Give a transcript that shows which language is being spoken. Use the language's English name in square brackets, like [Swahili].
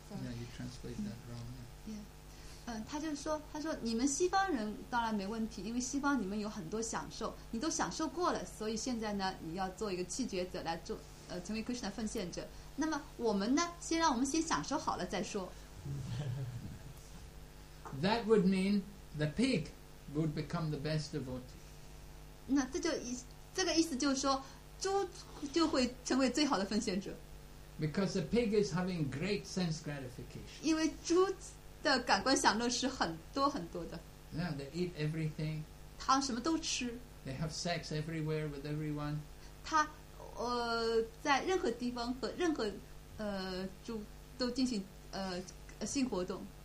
[English] Yeah, you translate that wrong. Yeah. Yeah. [Chinese] 他说你们西方人当然没问题，因为西方你们有很多享受，你都享受过了，所以现在呢你要做一个弃绝者来做成为 Krishna 的奉献者，那么我们呢先让我们先享受好了再说。 [English] That would mean the pig would become the best devotee. [Chinese] 那这个意思就是说猪就会成为最好的奉献者。 [English] Because the pig is having great sense gratification. [Chinese] 因为猪的感官享乐是很多很多的。 [English] Yeah, they eat everything. [Chinese] 他什么都吃。 [English] They have sex everywhere with everyone. [Chinese] 他在任何地方和任何猪都进行性活动。